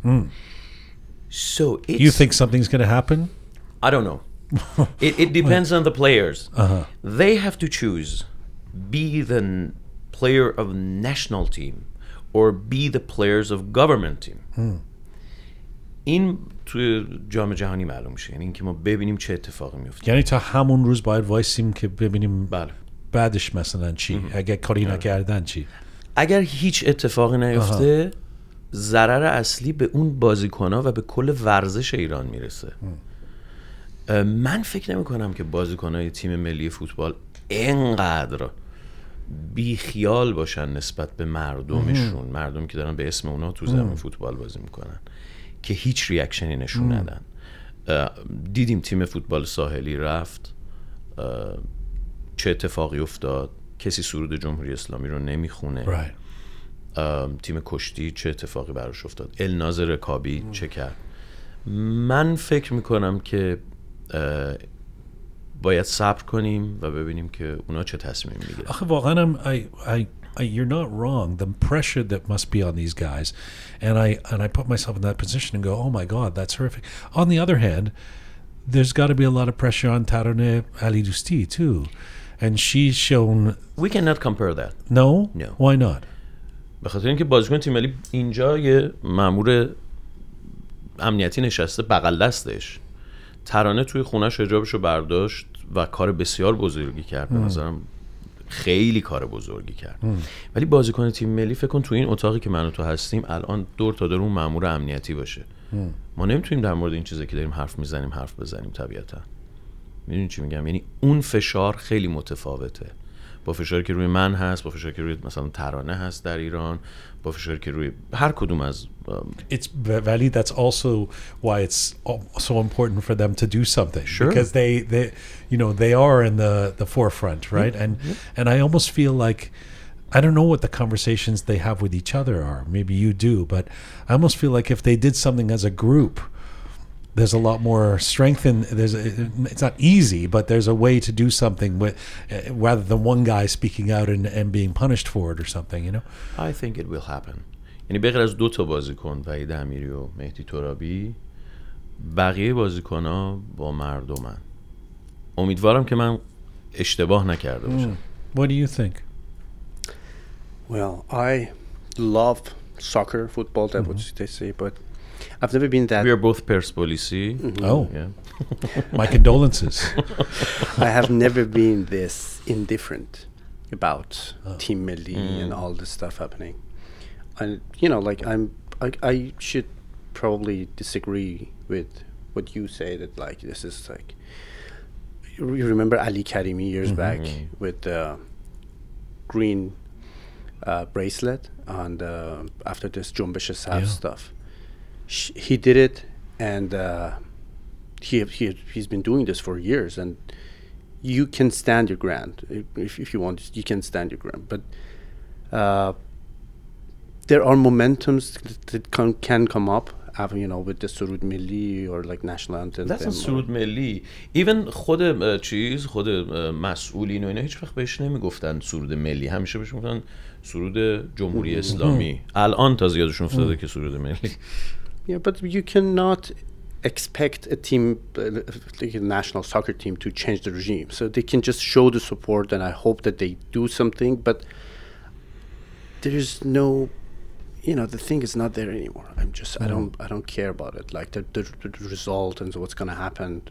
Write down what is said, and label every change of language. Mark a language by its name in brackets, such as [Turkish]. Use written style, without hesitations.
[English] Mm. So it's, you think something's going to happen? I don't know. it depends on the players. Uh-huh. They have to choose be the player of national team or be the players of government team. Mm. [Persian] این توی جام جهانی معلوم میشه، یعنی اینکه ما ببینیم چه اتفاقی میفته. یعنی تا همون روز باید وایسیم که ببینیم بله. بعدش مثلا چی اگر کاری نکردن چی، اگر هیچ اتفاقی نیفته ضرر اصلی به اون بازیکن‌ها و به کل ورزش ایران میرسه. من فکر نمی‌کنم که بازیکن‌های تیم ملی فوتبال اینقدر بی خیال باشن نسبت به مردمشون، مردمی که دارن به اسم اونا تو زمین فوتبال بازی میکنن، که هیچ ریاکشنی نشون ندن. دیدیم تیم فوتبال ساحلی رفت، چه اتفاقی افتاد، کسی سرود جمهوری اسلامی رو نمیخونه. تیم کشتی چه اتفاقی براش افتاد، الناز رکابی چه کرد. من فکر میکنم که باید صبر کنیم و ببینیم که اونا چه تصمیم میگیرن. آخه واقعا [English] you're not wrong. The pressure that must be on these guys, and I put myself in that position and go, oh my god, that's horrific. On the other hand, there's got to be a lot of pressure on Tarone Ali Dusti too, and she's shown. We cannot compare that. No. No. Why not? [Persian] به خاطر اینکه بازیکن تیم ملی اینجا یه مامور امنیتی نشسته بغل دستش. ترانه توی خونه‌اش حجابش رو برداشت و کار بسیار بزرگی کرد. به نظرم خیلی کار بزرگی کرد. ولی بازیکن تیم ملی فکر کن توی این اتاقی که من و تو هستیم الان دور تا دور اون مأمور امنیتی باشه. ما نمیتونیم در مورد این چیزی که داریم حرف میزنیم حرف بزنیم طبیعتاً. میدونی چی میگم؟ یعنی اون فشار خیلی متفاوته. با فشاری که روی من هست، با فشاری که روی مثلا ترانه هست در ایران، با فشاری که روی هر کدوم از [English] It's valid. That's also why it's so important for them to do something. Sure. Because they you know, they are in the forefront, right? Mm-hmm. And I almost feel like I don't know what the conversations they have with each other are. Maybe you do, but I almost feel like if they did something as a group, there's a lot more strength in there's a, it's not easy, but there's a way to do something with rather than one guy speaking out and being punished for it or something, you know. I think it will happen. [Persian] یعنی به غیر از دو تا بازیکن وحید امیری و مهدی ترابی بقیه بازیکن‌ها با مردمن. امیدوارم که من اشتباه نکرده باشم. [English] What do you think? Well, I love soccer, football, that what they say, but I've never been that. We are both Persepolisi. Mm-hmm. Oh, yeah. My condolences. I have never been this indifferent about Team Melli and all this stuff happening. And you know, like I should probably disagree with what you say that like this is like. You remember Ali Karimi years back with the green bracelet, and after this Jumbesh Sahab stuff. He did it, and he's been doing this for years. And you can stand your ground if you want. You can stand your ground, but there are momentums that can come up, after, you know, with the Surud Milli or like national anthem. That's not Surud Milli. Even [Persian] خود چیز خود مسئولین و اینا هیچ وقت بهش نمیگفتن سرود ملی. همیشه بهش میگفتن سرود جمهوری اسلامی. الان تازه یادشون افتاده که سرود ملی. [English] Yeah, but you cannot expect a team, like a national soccer team, to change the regime. So they can just show the support, and I hope that they do something. But there's no, you know, the thing is not there anymore. I don't care about it. Like the result and what's going to happen.